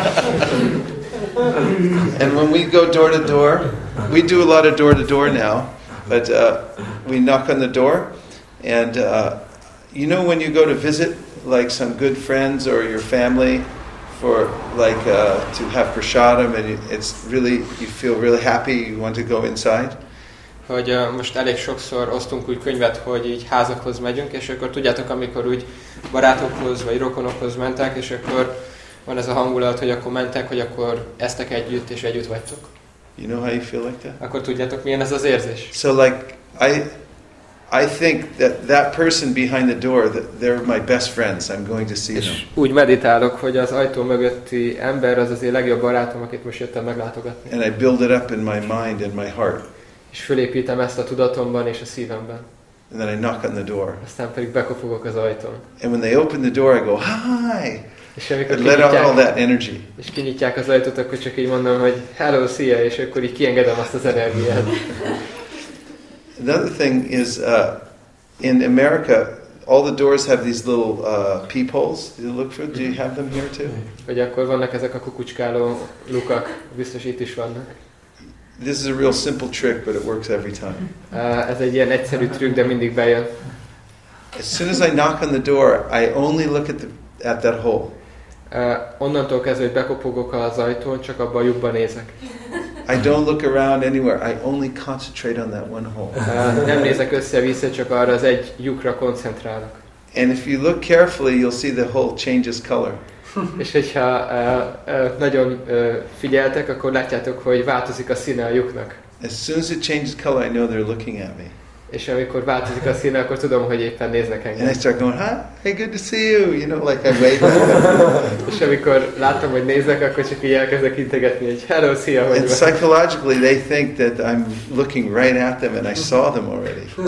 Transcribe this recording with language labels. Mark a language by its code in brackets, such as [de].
[en] And when we go door to door, we do a lot of door to door now. But we knock on the door, and you know when you go to visit like some good friends or your family for like to have prasadam, and it's really you feel really happy. You want to go inside. [hu] Hogy most elég sokszor osztunk úgy könyvet, hogy így házakhoz megyünk, és akkor tudjátok, amikor úgy barátokhoz vagy rokonokhoz mentek, és akkor van ez a hangulat, hogy akkor mentek, hogy akkor eztek együtt és együtt vagytok. [en] You know how you feel like that? [hu] Akkor tudjátok, milyen ez az érzés? [en] So like I think that person behind the door that they're my best friends. I'm going to see them. [hu] Úgy meditálok, hogy az ajtó mögötti ember az az én legjobb barátom, akit most jöttem meglátogatni. [en] And I build it up in my mind and my heart. [hu] És fölépítem ezt a tudatomban és a szívemben. [en] And then I knock on the door. [hu] Aztán pedig bekopogok az ajtón. [en] And when they open the door I go, "Hi." [hu] És amikor [en] let out all that energy. [hu] És kinyitják az ajtót, akkor csak így mondom, hogy hello, szia, és akkor így kiengedem azt az energiát. [en] Another thing is in America all the doors have these little peepholes. Do you look for do you have them here too? [hu] Vagy akkor vannak ezek a kukucskáló lukak, biztos itt is vannak. [en] This is a real simple trick but it works every time. [hu] Ez egy ilyen egyszerű trükk, de mindig bejön. [en] As soon as I knock on the door, I only look at that hole. [hu] Onnantól kezdve, hogy bekopogok az ajtón, csak abba a lyukba nézek. [en] I don't look around anywhere. I only concentrate on that one hole. [hu] Nem nézek össze-vissza, csak arra az egy lyukra koncentrálok. [en] And if you look carefully, you'll see the hole changes color. [hu] És hogyha nagyon figyeltek, akkor látjátok, hogy változik a színe a lyuknak. [en] As soon as it changes color, I know they're looking at me. [hu] És amikor változik a színe, akkor tudom, hogy éppen néznek engem. [en] And I start going, hey, good to see you. You know, like I wave. [hu] És amikor látom, hogy néznek, akkor csak így elkezdek integetni, hogy hello, szia, hogy vagy. [en] And psychologically, they think that I'm looking right at them and I saw them already.